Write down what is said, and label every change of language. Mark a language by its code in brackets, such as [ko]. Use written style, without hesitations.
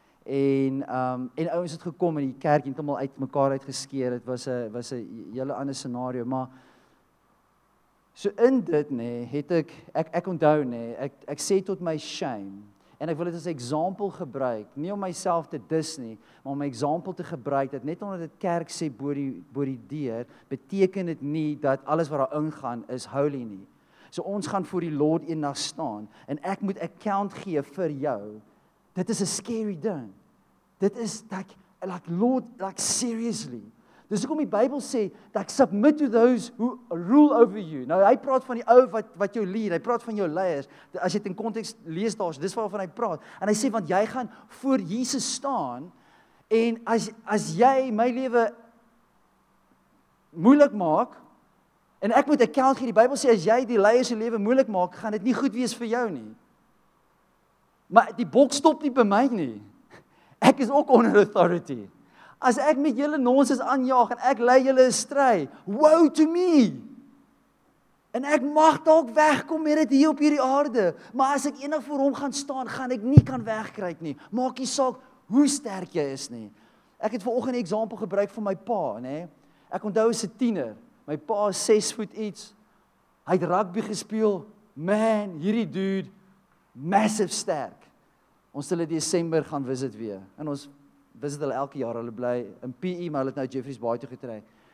[af] En ouens het gekom en die kerk heeltemal uit mekaar uitgeskeer. Dit was 'n hele ander scenario, maar so in dit nê, het ek onthou nê, ek sê tot my shame en ek wil dit as 'n voorbeeld gebruik, nie om myself te dis nie, maar om 'n voorbeeld te gebruik, dat net omdat dit kerk sê bo die deur, beteken dit nie dat alles wat daar ingaan is holy nie. So ons gaan voor die Lord eendag staan, en ek moet account gee vir jou. Dit is 'n scary ding. Dit is, like Lord, like seriously. Dis hoekom die Bybel sê, [en] like submit to those who rule over you. [af] Nou, hy praat van die ou wat jou lead, hy praat van jou leiers. As jy dit in context lees daar, dis waarvan hy praat. En hy sê, want jy gaan voor Jesus staan, en as jy my lewe moeilik maak, en ek moet account gee, die Bybel sê, as jy die leiers se lewe moeilik maak, gaan dit nie goed wees vir jou nie. Maar die bok stop nie by my nie. Ek is ook onder authority. As ek met julle nonsens aanjaag en ek lei julle astray, [en] woe to me. [af] En ek mag dalk wegkom met dit hier op hierdie aarde, maar as ek eendag voor hom gaan staan, gaan ek nie kan wegkruip nie. Maak nie saak hoe sterk jy is nie. Ek het vanoggend 'n voorbeeld gebruik van my pa, nê. Ek onthou as 'n tiener, my pa is 6 voet iets. Hy het rugby gespeel. Man, hierdie dude massive sterk. Ons hulle Desember gaan visit weer. En ons visit hulle elke jaar, hulle bly in PE, maar hulle het nou Jeffreys Bay toe getrek.